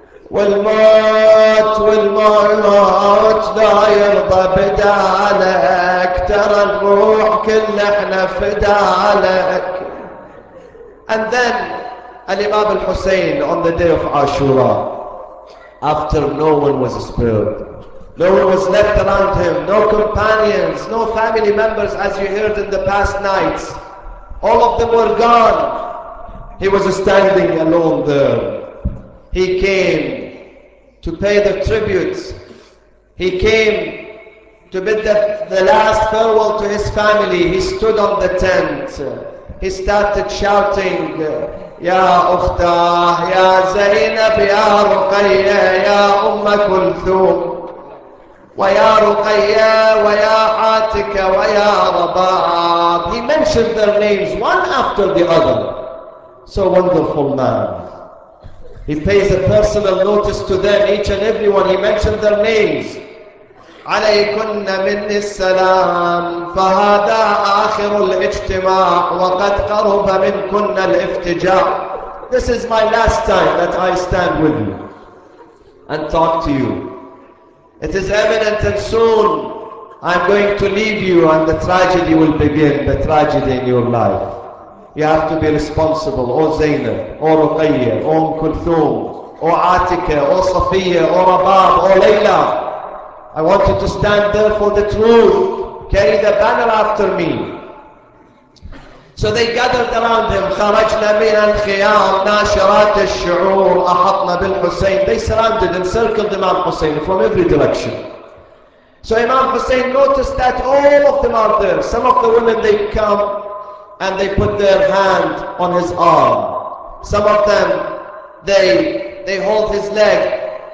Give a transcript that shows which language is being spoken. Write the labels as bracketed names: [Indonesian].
[Arabic] والموت والموت لا يرضى بدالك ترى الروح كل احنا فدالك. [English] And then Imam al-Hussein on the day of Ashura, after no one was spared, no one was left around him, no companions, no family members, as you heard in the past nights, all of them were gone. He was standing alone there. He came to pay the tributes. He came to bid the last farewell to his family. He stood on the tent. He started shouting, Ya Uftah, Ya Zainab, Ya Ruqayya, Ya Umm Kulthum, Wa Ya Ruqayya, Wa Ya Atika, Wa Ya Rabab. He mentioned their names one after the other. So wonderful man. He pays a personal notice to them, each and everyone. He mentioned their names. [Arabic] عليكن من السلام فهذا آخر الاجتماع وقد قرب منكن الافتجاع. [English] This is my last time that I stand with you and talk to you. It is evident and soon I'm going to leave you and the tragedy will begin, the tragedy in your life. You have to be responsible. O Zainab, O Ruqayya, O Kulthum, O Atika, O Safiya, O Rabab, O Layla. I want you to stand there for the truth. Carry the banner after me. So they gathered around him. [Arabic] خرجنا من الخيام ناشرات الشعور أحطنا بالحسين. [English] They surrounded and circled Imam Hussein from every direction. So Imam Hussein noticed that all of them are there. Some of the women, they come and they put their hand on his arm. Some of them, they hold his leg.